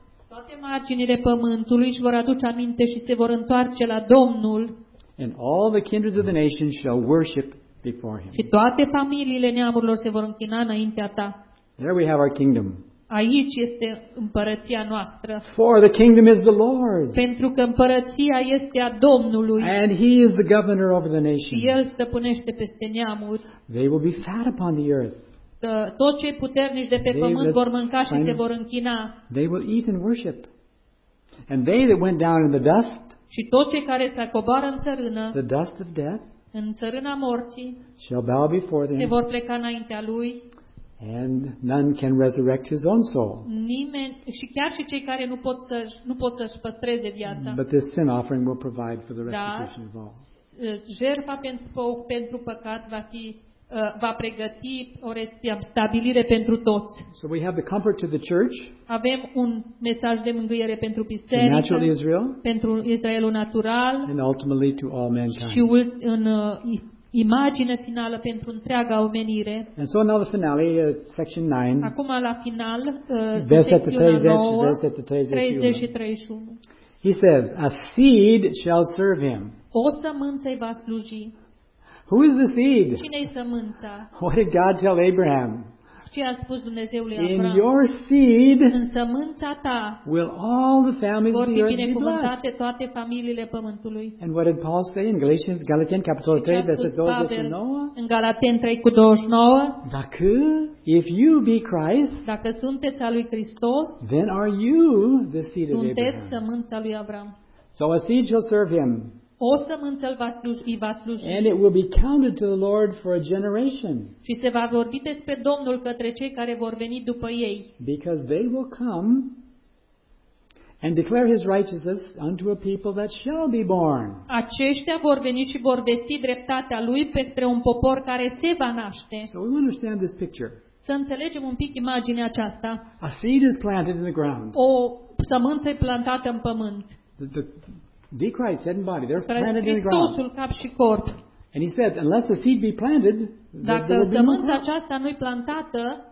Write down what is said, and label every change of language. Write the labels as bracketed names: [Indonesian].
[Romanian] toate marginile pământului își vor aduce aminte și se vor întoarce la Domnul. [English] And all the kindreds of the nations shall worship before him. [Romanian] Și toate familiile neamurilor se vor închina înaintea ta. [English] There we have our kingdom. [Romanian] Aici este împărăția noastră. [English] For the kingdom is the Lord's. [Romanian] Pentru că împărăția este a Domnului. [English] And he is the governor over the nations. [Romanian] Și el stăpânește peste neamuri. [English] They will be fat upon the earth. [Romanian] Tot cei puternici de pe pământ vor mânca și se vor închina. [English] They will eat and worship. And they that went down in the dust. [Romanian] Și toți cei care s-au coborât în țărână. [English] The dust of death. [Romanian] În țărâna morții. [English] Shall bow before them. [Romanian] Se vor pleca înaintea lui. [English] And none can resurrect his own soul. [Romanian] Nimeni, și chiar și cei care nu pot să-și păstreze viața. [English] But this sin offering will provide for the restitution of all. [Romanian] Jertfa pentru păcat va pregăti o restabilire pentru toți. [English] So we have the comfort to the church. [Romanian] Avem un mesaj de mângâiere pentru biserică. [English] Natural Israel. [Romanian] Pentru Israelul natural. [English] And ultimately to all mankind. [Romanian] Și în imagine finală pentru întreaga omenire. [English] And so now the finale, section 9. [Romanian] Acum la final, versetul 30 și 31. [English] He says, a seed shall serve him. [Romanian] O sămânță îi va sluji. [English] Who is the seed? [Romanian] Cine-i sămânța? [English] What did God tell Abraham? [Romanian] Ce a spus Dumnezeului [English] Avram? In your seed, [Romanian] în sămânța ta, [English] will all the families [Romanian] vor fi binecuvântate toate familiile pământului. [English] And what did Paul say in Galatians, Galatians [Romanian] capitolul 3, versetul 29? În Galateni 3:29. Dacă, [English] if you be Christ, [Romanian] dacă sunteți al lui Hristos, [English] then are you the seed of Abraham? [Romanian] Sunteți sămânța lui Avram. [English] So a seed shall serve him. [Romanian] O sămânță îi va sluji. [English] And it will be counted to the Lord for a generation. [Romanian] Și se va vorbi despre Domnul către cei care vor veni după ei. [English] Because they will come and declare his righteousness unto a people that shall be born. [Romanian] Aceștia vor veni și vor vesti dreptatea lui pentru un popor care se va naște. [English] So we understand this picture. [Romanian] Să înțelegem un pic imaginea aceasta. [English] A seed is planted in the ground. [Romanian] O sămânță e plantată în pământ. [English] Be Christ, head and body. They're planted in the ground. [Romanian] Hristosul, cap și corp. [English] And he said, unless the seed be planted, [Romanian] dacă sămânța aceasta nu-i plantată,